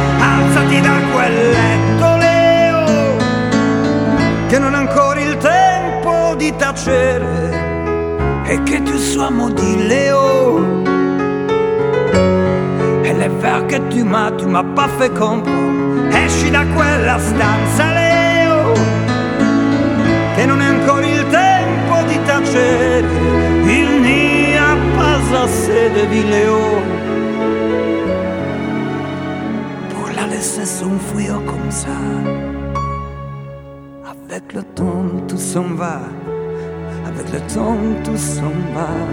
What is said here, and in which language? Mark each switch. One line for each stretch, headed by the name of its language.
Italian: Alzati da quel letto, Leo, che non è ancora il tempo di tacere, e che
French: tu sois maudit,
Italian: Leo.
French: C'est vrai que tu m'as pas fait comprendre.
Italian: Esci da quella stanza, Leo, che non è ancora il tempo di tacere.
French: Il n'y a pas assez de vie, Leo. Pour la laisser s'enfuir comme ça. Avec le temps, tout s'en va. Avec le temps, tout s'en va.